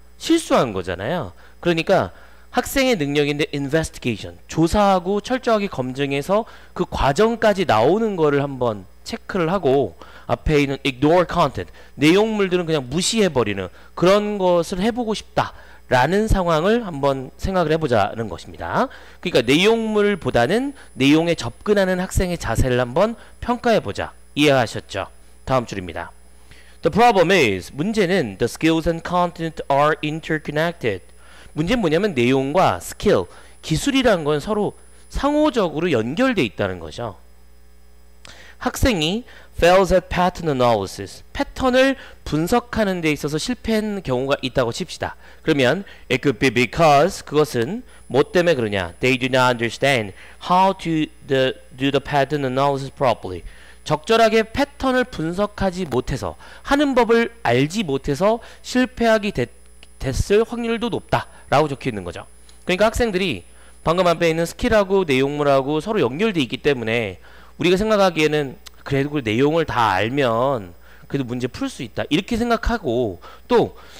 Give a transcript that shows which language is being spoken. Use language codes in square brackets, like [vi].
[ko] 실수한 거잖아요. 그러니까 학생의 능력인데 investigation, 조사하고 철저하게 검증해서 그 과정까지 나오는 거를 한번 체크를 하고 앞에 있는 [en] ignore content, [ko] 내용물들은 그냥 무시해버리는 그런 것을 해보고 싶다 라는 상황을 한번 생각을 해보자는 것입니다. 그러니까 내용물보다는 내용에 접근하는 학생의 자세를 한번 평가해보자. 이해하셨죠? 다음 줄입니다. [en] The problem is, [ko] 문제는 [en] the skills and content are interconnected. [ko] 문제는 뭐냐면 내용과 skill, 기술이라는 건 서로 상호적으로 연결되어 있다는 거죠. 학생이 [en] fails at pattern analysis, [ko] 패턴을 분석하는 데 있어서 실패한 경우가 있다고 칩시다. 그러면 [en] it could be because [ko] 그것은 뭐 때문에 그러냐? [en] They do not understand how to do the pattern analysis properly. [ko] 적절하게 패턴을 분석하지 못해서 하는 법을 알지 못해서 실패하게 됐을 확률도 높다라고 적혀 있는 거죠. 그러니까 학생들이 방금 앞에 있는 스킬하고 내용물하고 서로 연결되어 있기 때문에 우리가 생각하기에는 그래도 내용을 다 알면 그래도 문제 풀 수 있다 이렇게 생각하고 또